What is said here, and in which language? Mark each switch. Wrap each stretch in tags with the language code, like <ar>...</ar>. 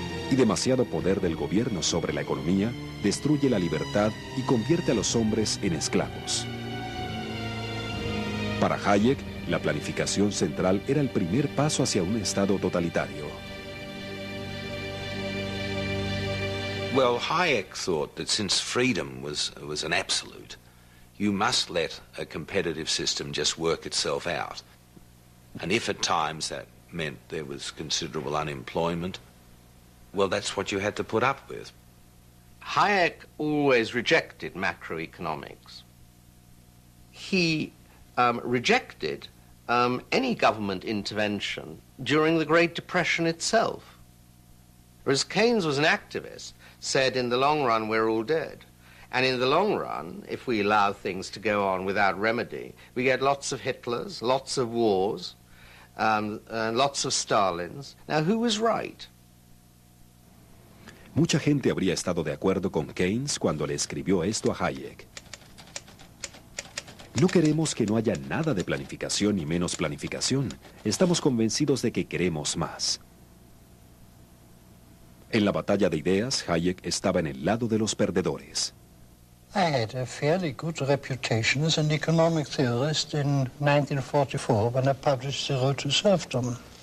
<es>Y demasiado poder del gobierno sobre la economía destruye la libertad y convierte a los hombres en esclavos. Para Hayek, la planificación central era el primer paso hacia un estado totalitario.</es> <en>Well, Hayek thought that since freedom was an absolute, you must let a competitive system just work itself out. And if at times that meant there was considerable unemployment, well, that's what you had to put up with. Hayek always rejected macroeconomics. He rejected any government intervention during the Great Depression itself. Whereas Keynes was an activist, said in the long run we're all dead. And in the long run, if we allow things to go on without remedy, we get lots of Hitlers, lots of wars, and lots of Stalins. Now, who was right?</en> <es>Mucha gente habría estado de acuerdo con Keynes cuando le escribió esto a Hayek. No queremos que no haya nada de planificación ni menos planificación. Estamos convencidos de que queremos más. En la batalla de ideas, Hayek estaba en el lado de los perdedores.</es> <en>I had a fairly good reputation as an economic theorist in 1944 when I published The Road to Serfdom.</en>